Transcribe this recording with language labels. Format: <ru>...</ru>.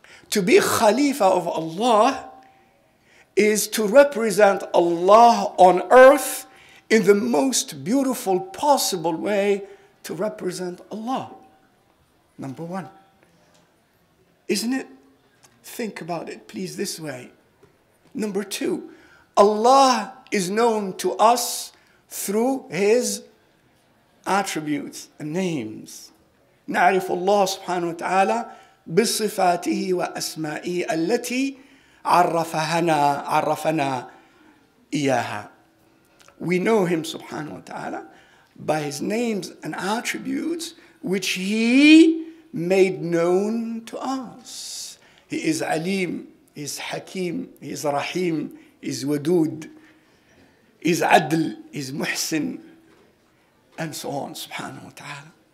<en>To be Khalifa of Allah is to represent Allah on earth in the most beautiful possible way to represent Allah, number one. Isn't it? Think about it, please, this way. Number two, Allah is known to us through his attributes and names.</en> <ar>نعرف الله سبحانه وتعالى بصفاته وأسمائه التي عرفنا إياها.</ar> <en>We know him</en> <ar>سبحانه وتعالى</ar> <en>by his names and attributes which he made known to us. He is Alim, is Hakim, is Rahim, is Wadud, is Adl, is Muhsin, and so on, subhanahu wa ta'ala.</en>